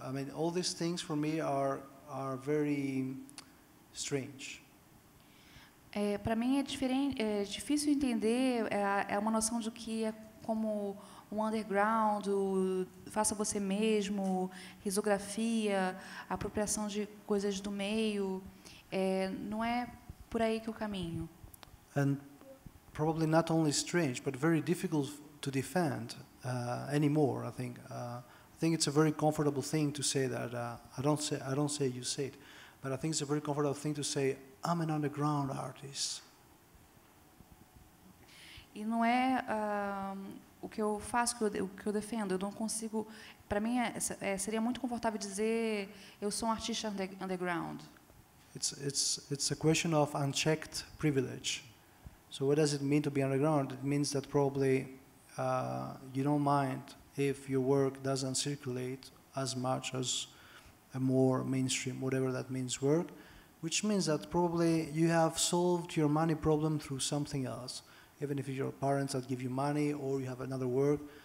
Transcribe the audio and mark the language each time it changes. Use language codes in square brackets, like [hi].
[en] I mean, all these things for me are very strange. [pt] Para mim é diferente, é difícil entender, é uma noção de que é como um underground, faça você mesmo, risografia, apropriação de coisas do meio, não é por aí que eu caminho. [en] And probably not only strange, but very difficult to defend anymore. I think it's a very comfortable thing to say that I don't say you say it, but I think it's a very comfortable thing to say I'm an underground artist. [pt] E não é o que eu faço, o que eu defendo. Eu não consigo... Para mim, seria muito confortável dizer eu sou um artista underground. [en] It's a question of unchecked privilege. So what does it mean to be underground? It means that probably you don't mind if your work doesn't circulate as much as a more mainstream, whatever that means, work, which means that probably you have solved your money problem through something else, even if it's your parents that give you money or you have another work.